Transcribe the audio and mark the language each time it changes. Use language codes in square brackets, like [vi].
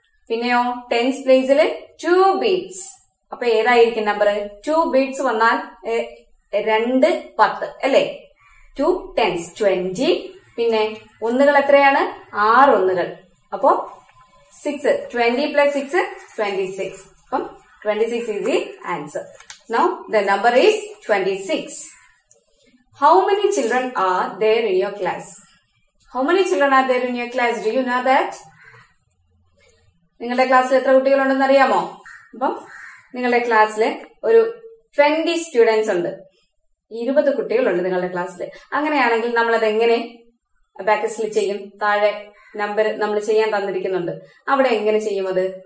[ml] പിന്നെയോ tense പ്ലേസില് to beats. അപ്പൊ ഏതായിരിക്കും നമ്പർ? ടു ബീറ്റ്സ് വന്നാൽ രണ്ട് പത്ത് അല്ലേ, ടു ടെൻസ് ട്വന്റി. പിന്നെ ഒന്നുകൾ എത്രയാണ്? ആറ് ഒന്നുകൾ. അപ്പോ six, twenty plus six twenty six. അപ്പം [en] 26 is the answer. Now the number is 26. How many children are there in your class? How many children are there in your class? Do you know that? [ml] നിങ്ങളുടെ ക്ലാസ്സിൽ എത്ര കുട്ടികളുണ്ടെന്ന് അറിയാമോ? അപ്പം നിങ്ങളുടെ ക്ലാസ്സിൽ ഒരു 20 students ഉണ്ട്, 20 കുട്ടികളുണ്ട് നിങ്ങളുടെ ക്ലാസ്സിൽ. അങ്ങനെയാണെങ്കിൽ നമ്മൾ അതെങ്ങനെ അബാക്കസിൽ ചെയ്യും? താഴെ നമ്പർ നമ്മൾ ചെയ്യാൻ തന്നിരിക്കുന്നുണ്ട്, അവിടെ എങ്ങനെ ചെയ്യും അത്?